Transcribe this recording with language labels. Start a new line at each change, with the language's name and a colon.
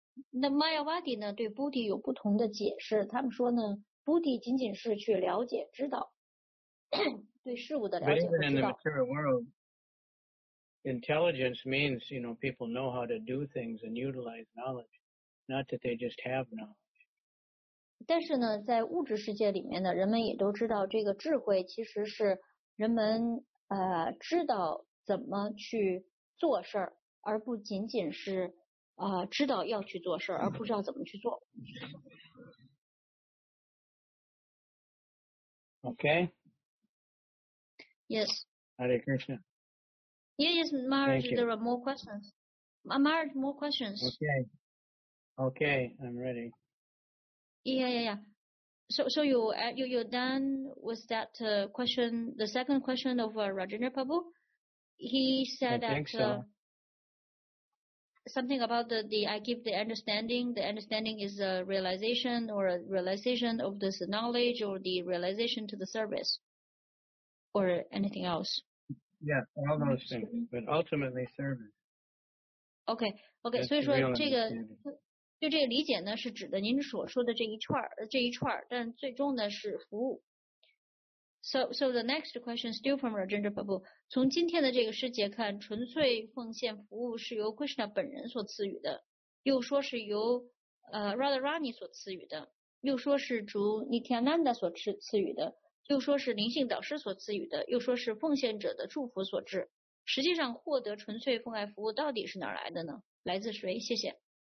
Chinese: 那 Mayavadi 呢对 Buddhi 有不同的解释他们说呢 Buddhi 仅仅是去了解知道对事物的了解和知道。
English: But even in the material world,Intelligence means, you know, people know how to do things and utilize knowledge, not that they just have knowledge.
Chinese: 但是呢，在物质世界里面呢，人们也都知道这个智慧其实是人们知道怎么去做事儿，而不仅仅是知道要去做事儿，而不知道怎么去做。
English: Okay. Yes. Hare Krishna. Yes, Maharaj, there are more questions. Maharaj, more questions. Okay, I'm ready. Yeah. So you're done with that question, the second question of Rajendra Prabhu. He said something about the I give the understanding. The understanding is a realization or a realization of this knowledge or the realization to the service or anything else. Yeah, all those things, but ultimately service.
Chinese: Okay, 所以说这个就这个理解呢是指的您所说的这一串但最终呢是服务。
English: So the next question still from Rajendra Prabhu.
Chinese: 从今天的这个世界看纯粹奉献服务是由 Krishna 本人所赐予的又说是由Radharani 所赐予的又说是主 Nityananda 所赐予的又说是灵性导师所赐予的又说是奉献者的祝福所致实际上获得纯粹奉爱服务到底是哪来的呢来自谁谢谢